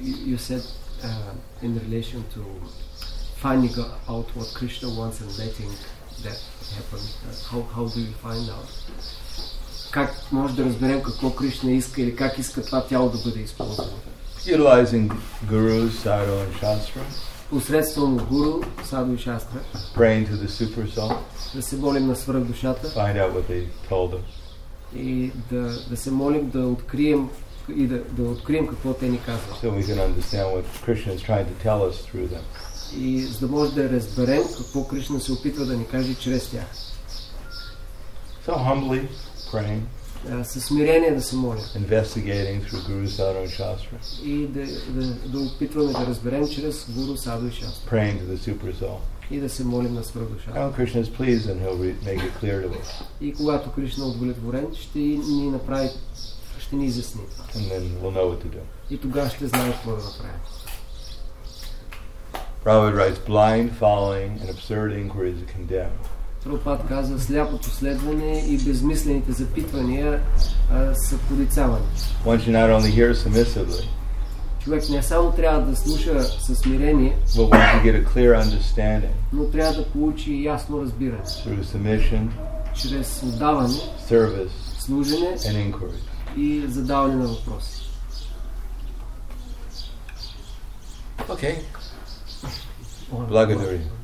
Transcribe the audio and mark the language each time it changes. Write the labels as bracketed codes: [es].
[en] You said in relation to finding out what Krishna wants and letting that happen, how do you find out? [bg] как може да разберем какво Кришна иска или как иска това тяло да бъде използвано. [en] Utilizing gurus, sadhu and shastra. [bg] Посредством гуру, саду и шастра. [en] Praying to the super soul. [bg] Да се молим на свръхдушата. [en] Find out what they told them. [bg] И да се молим да открием и да открием какво те ни казват. [en] So we can understand what Krishna is trying to tell us through them. [bg] И за да може да разберем какво Кришна се опитва да ни каже чрез тях. [en] So humbly praying. [bg] Със смирение да се моля. [en] Investigating through Guru, Sadhu and Shastra. [bg] И да опитваме да разберем чрез Guru, Sadhu и Shastra. [en] Praying to the Super Soul. [bg] И да се молим на свръхдушата. [en] And Krishna is pleased and he'll make it clear to us. [bg] И когато Кришна е удовлетворен, ще ни направи, ще ни изясни. [en] And then we'll know what to do. [bg] И тогава ще знаем какво да направим. [en] Prabhupada writes, blind following and absurd inquiries are condemned. [bg] Прабхупад казва, сляпото следване и безмислените запитвания са порицавани. [en] One should not only hear submissively. [bg] Човек не само трябва да слуша със смирение, [en] but one should get a clear understanding. [bg] Но трябва да получи ясно разбиране. [en] Through submission, [bg] чрез отдаване, [en] service, [bg] служене [en] and inquiry. [bg] И задаване на въпроси. Okay. Благодаря.